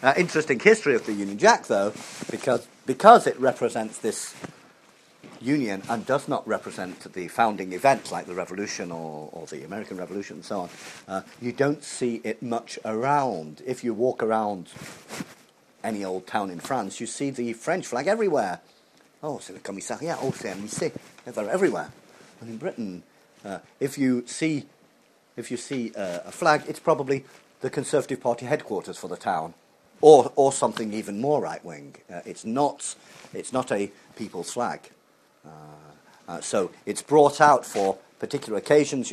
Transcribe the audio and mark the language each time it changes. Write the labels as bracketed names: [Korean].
[English] Interesting history of the Union Jack, though, because it represents this union and does not represent the founding events like the revolution or the American Revolution and so on, you don't see it much around. If you walk around any old town in France, you see the French flag everywhere. [French] Oh, c'est le commissariat, oh, c'est un lycée. [English] They're everywhere. And in Britain, if you see a flag, it's probably the Conservative Party headquarters for the town, or something even more right-wing. It's not a people's flag. So it's brought out for particular occasions.